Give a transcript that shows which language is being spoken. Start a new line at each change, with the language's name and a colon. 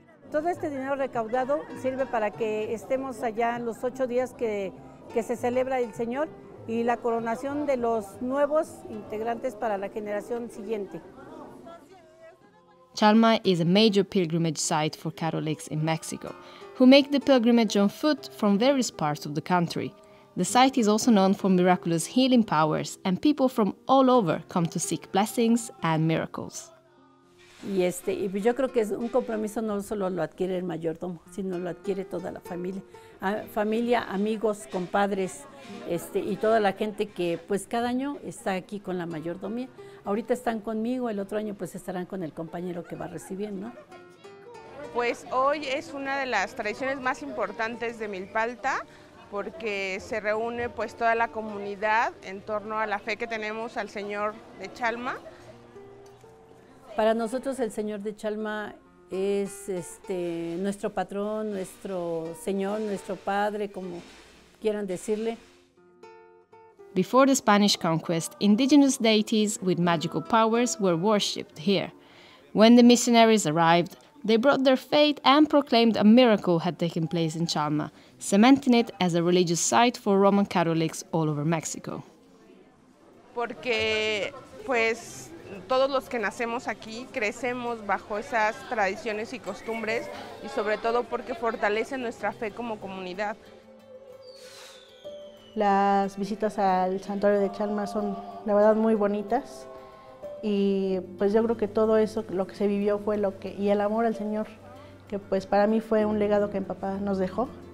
Spanish: Todo este dinero recaudado sirve para que estemos allá los 8 días que se celebra el Señor y la coronación de los nuevos integrantes para la generación siguiente.
English: Chalma is a major pilgrimage site for Catholics in Mexico, who make the pilgrimage on foot from various parts of the country. The site is also known for miraculous healing powers and people from all over come to seek blessings and miracles.
Spanish: Y pues yo creo que es un compromiso no solo lo adquiere el mayordomo, sino lo adquiere toda la familia. Familia, amigos, compadres y toda la gente que pues cada año está aquí con la mayordomía. Ahorita están conmigo, el otro año pues estarán con el compañero que va recibiendo, ¿no? Pues hoy es una de las tradiciones más importantes de Milpalta porque se reúne pues toda la comunidad en torno a la fe que tenemos al Señor de Chalma. Para nosotros el Señor de Chalma es nuestro patrón, nuestro Señor, nuestro Padre, como quieran decirle.
English: Before the Spanish conquest, indigenous deities with magical powers were worshipped here. When the missionaries arrived, they brought their faith and proclaimed a miracle had taken place in Chalma, cementing it as a religious site for Roman Catholics all over Mexico.
Spanish: Porque, pues, todos los que nacemos aquí crecemos bajo esas tradiciones y costumbres y sobre todo porque fortalece nuestra fe como comunidad. Las visitas al santuario de Chalma son la verdad muy bonitas y pues yo creo que todo eso lo que se vivió fue lo que y el amor al Señor que pues para mí fue un legado que mi papá nos dejó.